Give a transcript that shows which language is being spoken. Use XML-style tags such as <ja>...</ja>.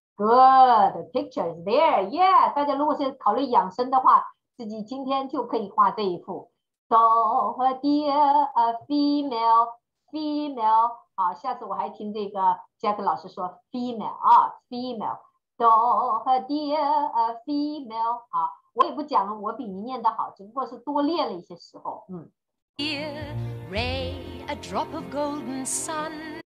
<en>Good, the picture is there.</en> <zh>Yeah, 大家如果是考虑养生的话，自己今天就可以画这一幅。</zh> <en>Doe, a deer, a female, female.</en> <zh>好，下次我还听这个 Jack 老师说 female 啊 ，female.</zh> <en>Doe, a deer, a female.</en> <zh>好。我也不讲了，我比你念得好，只不过是多练了一些时候。嗯。</zh> <en>Here, ray, a drop of golden sun.</en>